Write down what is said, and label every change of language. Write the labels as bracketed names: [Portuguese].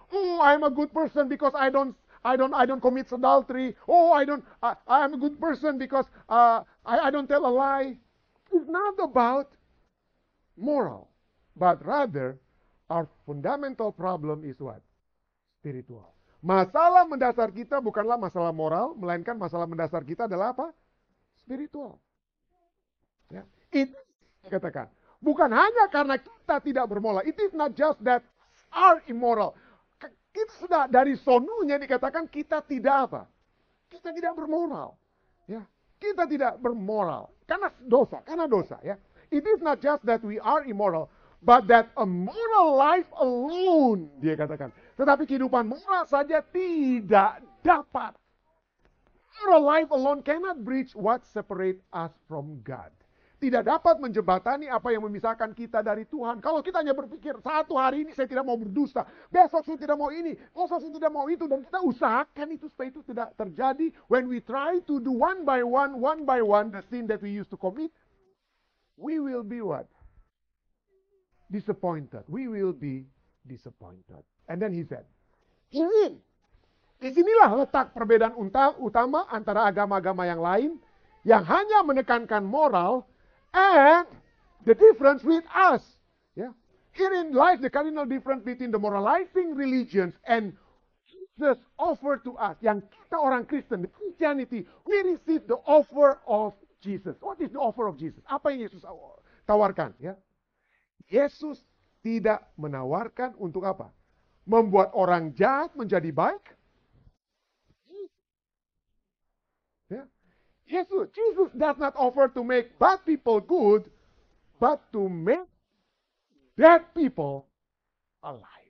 [English] I'm a good person because I don't commit adultery. I'm a good person because I don't tell a lie. It's not about moral, but rather our fundamental problem is what? Spiritual. [Indonesian] Masalah mendasar kita bukanlah masalah moral, melainkan masalah mendasar kita adalah apa? Spiritual. Ya. It katakan, bukan hanya karena kita tidak bermoral. [English] It is not just that are immoral. [Indonesian] Kita sudah dari sononya dikatakan kita tidak apa? Kita tidak bermoral. Ya. Kita tidak bermoral. Karena dosa. Ya. [English] It is not just that we are immoral, but that a moral life alone, [Indonesian] dia katakan. Tetapi kehidupan moral saja tidak dapat. [English] Moral life alone cannot bridge what separate us from God. [Indonesian] Tidak dapat menjembatani apa yang memisahkan kita dari Tuhan. Kalau kita hanya berpikir, satu hari ini saya tidak mau berdusta. Besok saya tidak mau ini. Besok saya tidak mau itu. Dan kita usahakan itu supaya itu tidak terjadi. [English] When we try to do one by one, the sin that we used to commit, we will be what? Disappointed. We will be disappointed. And then he said, [Indonesian] disinilah letak perbedaan utama antara agama-agama yang lain yang hanya menekankan moral [English] and the difference with us. Yeah. Herein lies the cardinal difference between the moralizing religions and Jesus offered to us. [Indonesian] Yang kita orang Kristen, [English] the Christianity, we receive the offer of Jesus. What is the offer of Jesus? [Indonesian] Apa yang Yesus tawarkan? Yeah. Yesus tidak menawarkan untuk apa? Membuat orang jahat menjadi baik? [English] Jesus does not offer to make bad people good, but to make bad people alive.